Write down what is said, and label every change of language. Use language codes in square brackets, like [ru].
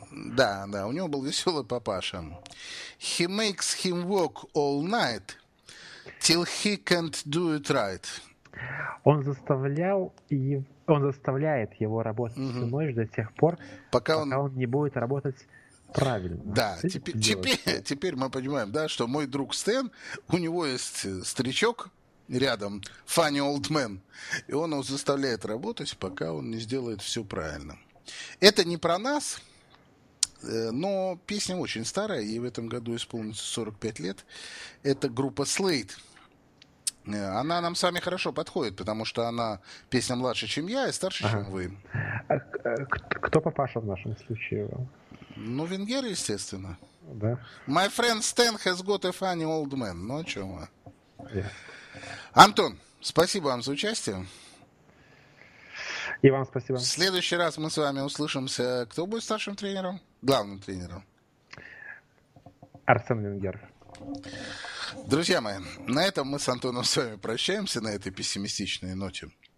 [ru] Да, да, у него был веселый папаша. [en] He makes him walk all night till he can't do it right. [ru] Он заставлял и он заставляет его работать всю ночь до тех пор, пока он не будет работать правильно. Да, теперь мы понимаем, да, что мой друг Стэн, у него есть старичок рядом, [en] funny old man, [ru] и он его заставляет работать, пока он не сделает все правильно. Это не про нас, но песня очень старая, ей в этом году исполнится 45 лет. Это группа Slade. Она нам с вами хорошо подходит, потому что она песня младше, чем я, и старше, чем вы. Кто папаша в нашем случае? Ну, Венгер, естественно. Да. [en] My friend Stan has got a funny old man. [ru] Ну, о чем вы? Антон, спасибо вам за участие. И вам спасибо. В следующий раз мы с вами услышимся. Кто будет старшим тренером? Главным тренером. Арсен Венгер. Друзья мои, на этом мы с Антоном с вами прощаемся, на этой пессимистичной ноте.